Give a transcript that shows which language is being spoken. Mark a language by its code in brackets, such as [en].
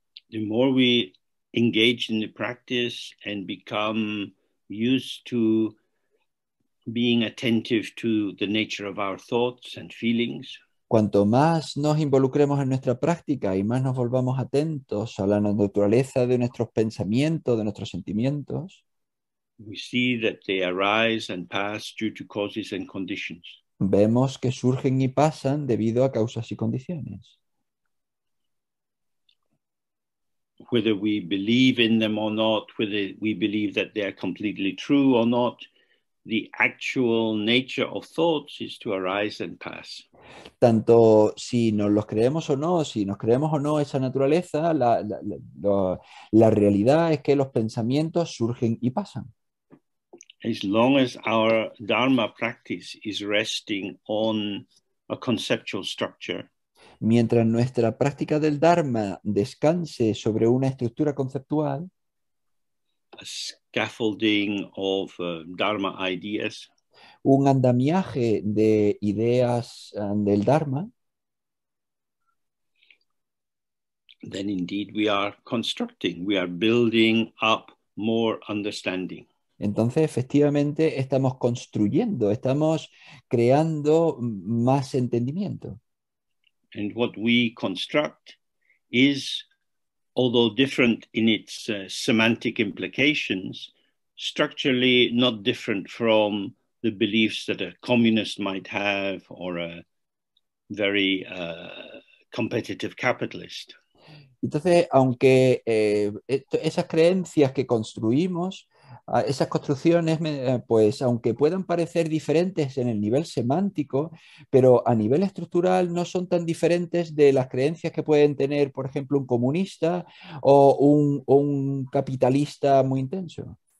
[en] The more we engage in the practice and become used to being attentive to the nature of our thoughts and feelings, [es] Cuanto más nos involucremos en nuestra práctica y más nos volvamos atentos a la naturaleza de nuestros pensamientos, de nuestros sentimientos, [en] we see that they arise and pass due to causes and conditions. [es] vemos que surgen y pasan debido a causas y condiciones. [en] whether we believe in them or not, whether we believe that they are completely true or not, the actual nature of thoughts is to arise and pass. [es] Tanto si nos los creemos o no, si nos creemos o no esa naturaleza, la realidad es que los pensamientos surgen y pasan. [en] As long as our Dharma practice is resting on a conceptual structure, [es] mientras nuestra práctica del Dharma descanse sobre una estructura conceptual, [en] a scaffolding of Dharma ideas, [es] un andamiaje de ideas del Dharma, [en] then indeed we are constructing, we are building up more understanding. [es] Entonces, efectivamente, estamos construyendo, estamos creando más entendimiento. [en] And what we construct is, although different in its semantic implications, structurally not different from the beliefs that a communist might have or a very competitive capitalist. [es] Entonces, aunque esas creencias que construimos, esas construcciones, pues aunque puedan parecer diferentes en el nivel semántico, pero a nivel estructural no son tan diferentes de las creencias que pueden tener, por ejemplo, un comunista o un capitalista muy intenso.